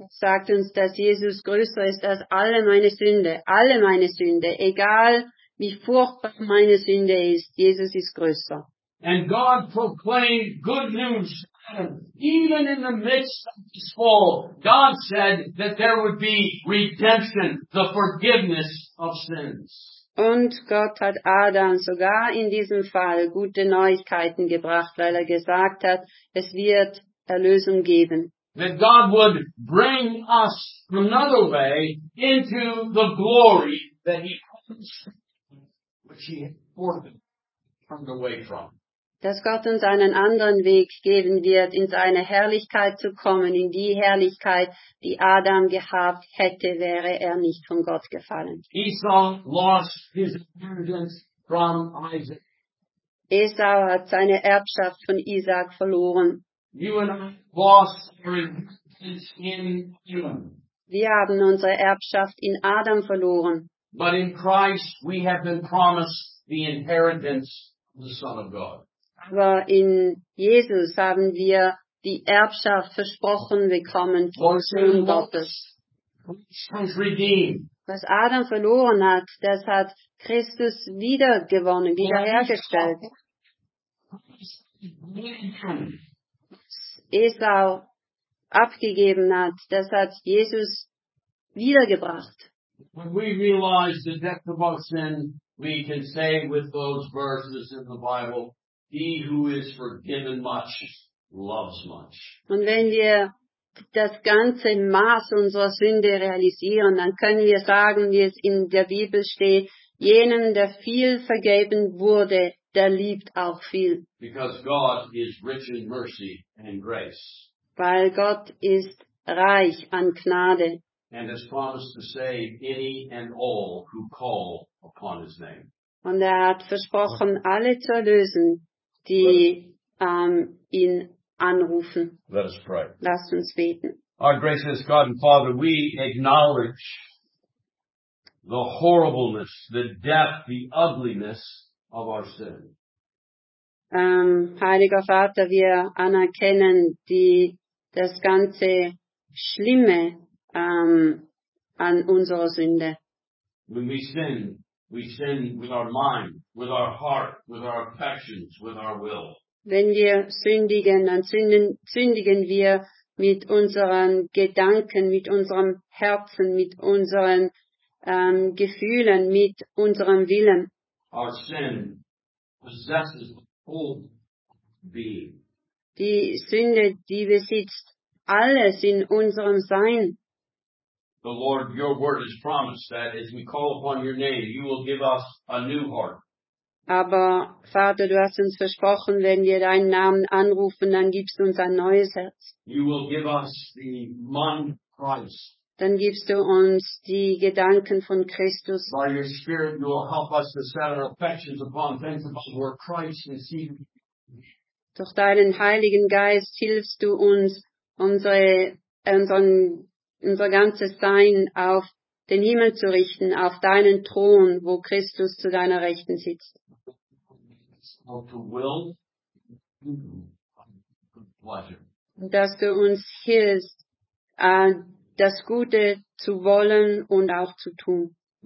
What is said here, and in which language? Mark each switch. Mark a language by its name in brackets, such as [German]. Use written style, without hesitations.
[German] Es sagt uns, dass Jesus größer ist als alle meine Sünde, egal wie furchtbar meine Sünde ist, Jesus ist größer. [English] And God proclaimed good news to Adam. Even in the midst of his fall, God said that there would be redemption, the forgiveness of sins. [German] Und Gott hat Adam sogar in diesem Fall gute Neuigkeiten gebracht, weil er gesagt hat, es wird Erlösung geben. [English] That God would bring us another way into the glory that he promised, which he had forbidden, turned away from. [German] Dass Gott uns einen anderen Weg geben wird, in seine Herrlichkeit zu kommen, in die Herrlichkeit, die Adam gehabt hätte, wäre er nicht von Gott gefallen. [English] Esau lost his inheritance from Isaac. [German] Esau hat seine Erbschaft von Isaac verloren. [English] You and I lost our inheritance in Adam. [German] Wir haben unsere Erbschaft in Adam verloren. [English] But in Christ we have been promised the inheritance of the Son of God. [German] Aber in Jesus haben wir die Erbschaft versprochen bekommen vom Sohn Gottes. [English] Christus redeemed. [German] Was Adam verloren hat, das hat Christus wiedergewonnen, wiederhergestellt. Was Esau abgegeben hat, das hat Jesus wiedergebracht. [English] When we realize the depth of our sin, we can say with those verses in the Bible, he who is forgiven much loves much. [German] Und wenn wir das ganze Maß unserer Sünde realisieren, dann können wir sagen, wie es in der Bibel steht, jenen, der viel vergeben wurde, der liebt auch viel. [English] Because God is rich in mercy and grace. [German] Weil Gott ist reich an Gnade. [English] And has promised to save any and all who call upon his name. [German] Und er hat versprochen, alle zu erlösen, die ihn anrufen. [English] Let us pray. [German] Lass uns beten. [English] Our gracious God and Father, we acknowledge the horribleness, the depth, the ugliness of our sin. [German] Heiliger Vater, wir anerkennen das ganze Schlimme an unserer Sünde. [English] When we sin with our mind, with our heart, with our affections, with our will. [German] Wenn wir sündigen, dann sündigen wir mit unseren Gedanken, mit unserem Herzen, mit unseren Gefühlen, mit unserem Willen. [English] Our sin possesses the whole being. [German] Die Sünde, die besitzt alles in unserem Sein. [English] The Lord, your word has promised that as we call upon your name, you will give us a new heart. [German] Aber Vater, du hast uns versprochen, wenn wir deinen Namen anrufen, dann gibst du uns ein neues Herz. [English] You will give us the mind of Christ. [German] Dann gibst du uns die Gedanken von Christus. [English] By your Spirit, you will help us to set our affections upon things about where Christ is seated. [German] Durch deinen Heiligen Geist hilfst du uns, unser ganzes Sein auf den Himmel zu richten, auf deinen Thron, wo Christus zu deiner Rechten sitzt. Dass du uns hilfst, das Gute zu wollen und auch zu tun.